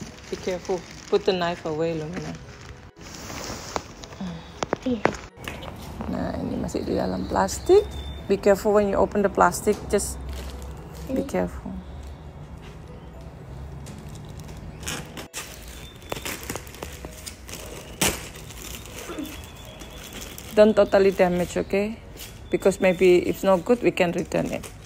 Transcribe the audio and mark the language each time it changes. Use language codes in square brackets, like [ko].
[en] Be careful, put the knife away, Lumi. [id] Nah, ini masih di dalam plastik. [en] Be careful when you open the plastic, just be careful. Don't totally damage, okay? Because maybe if not good, we can return it.